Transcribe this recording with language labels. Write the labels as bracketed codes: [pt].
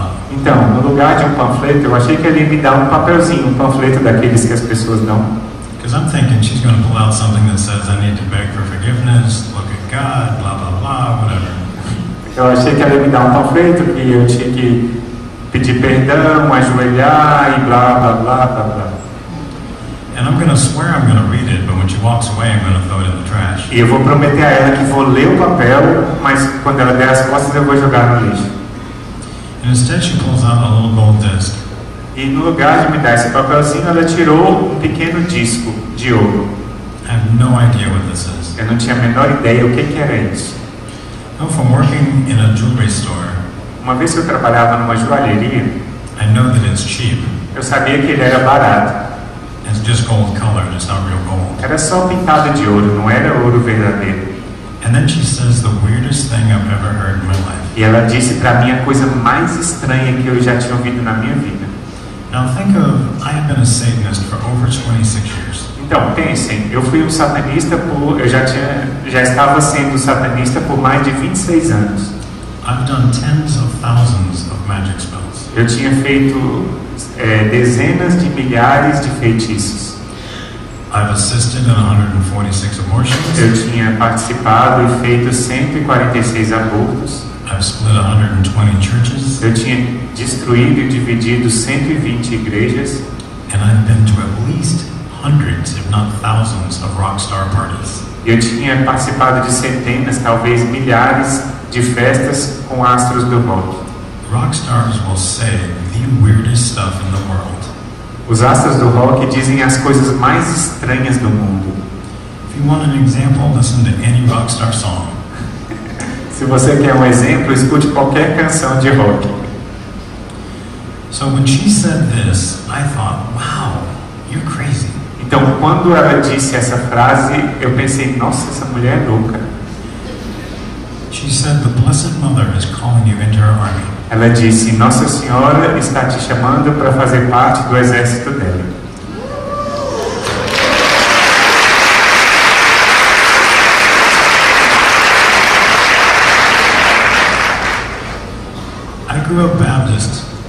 [pt] Então, no lugar de um panfleto, eu achei que ele ia me dar um papelzinho, um panfleto daqueles que as pessoas dão. [en] Because I'm thinking she's going to pull out something that says I need to beg for forgiveness, look at God, blah blah blah, whatever. [pt] Eu achei que ela ia me dar um panfleto que eu tinha que pedir perdão, ajoelhar e blá blá blá blá blá. [en] And I'm going to swear I'm going to read it, but when she walks away, I'm going to throw it in the trash. [pt] E eu vou prometer a ela que vou ler o papel, mas quando ela der as costas, eu vou jogar no lixo. [en] And instead she pulls out a little gold disc. [pt] E no lugar de me dar esse papelzinho, ela tirou um pequeno disco de ouro. [en] I have no idea what this is. [pt] Eu não tinha a menor ideia o que era isso. [en] Oh, from working in a jewelry store. [pt] Uma vez que eu trabalhava numa joalheria, [en] I know that it's cheap. [pt] Eu sabia que ele era barato. [en] It's just gold color, it's not real gold. [pt] Era só pintado de ouro, não era ouro verdadeiro. [en] And then she says the weirdest thing I've ever heard in my life. [pt] E ela disse para mim a coisa mais estranha que eu já tinha ouvido na minha vida. [en] Now think of, I have been a Satanist for over 26 years. [pt] Então, pensem, eu fui um satanista já estava sendo satanista por mais de 26 anos. [en] I've done tens of thousands of magic spells. [pt] Eu tinha feito dezenas de milhares de feitiços. [en] I've assisted in 146 abortions. [pt] Eu tinha participado e feito 146 abortos. [en] I've split 120 churches. [pt] Eu tinha destruído e dividido 120 igrejas. [en] And I've been to at least hundreds, if not thousands, of rock star parties. [pt] Eu tinha participado de centenas, talvez milhares, de festas com astros do rock. [en] Rock stars will say the weirdest stuff in the world. [pt] Os astros do rock dizem as coisas mais estranhas do mundo. [en] If you want an example, listen to any rock star song. [pt] Se você quer um exemplo, escute qualquer canção de rock. [en] So when she said this, I thought, wow, you're crazy. [pt] Então, quando ela disse essa frase, eu pensei, nossa, essa mulher é louca. [en] She said, the Blessed Mother is calling you into her army. [pt] Ela disse, Nossa Senhora está te chamando para fazer parte do exército dela. [en] I grew up Baptist.